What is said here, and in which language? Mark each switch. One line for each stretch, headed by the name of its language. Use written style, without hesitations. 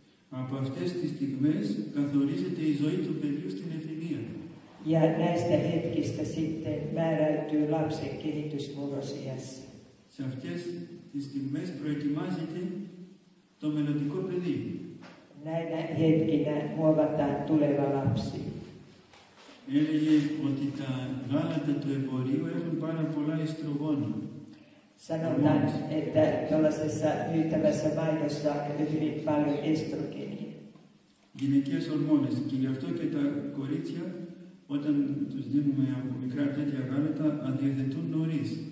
Greek: Από αυτές τις στιγμές καθορίζεται η ζωή του παιδιού στην εφηβεία.
Finnish: Ja näistä hetkistä sitten määräytyy lapsen kehitys murrosiässä.
Greek: Σε αυτές τις στιγμές προετοιμάζεται το μελλοντικό παιδί.
Finnish: Näinä hetkinä muovataan τουλεva lapsi.
Greek: Έλεγε ότι τα γάλατα του εμπορίου έχουν πάρα πολλά ιστρογόνα.
Finnish: Sanotaan, että tuollaisessa myytävässä maidossa on hyvin paljon estrogenia.
Greek: γυναικές ορμόνες και γι' αυτό και τα κορίτσια όταν τους δίνουμε από μικρά τέτοια γάλατα αδιαθετούν νωρίς.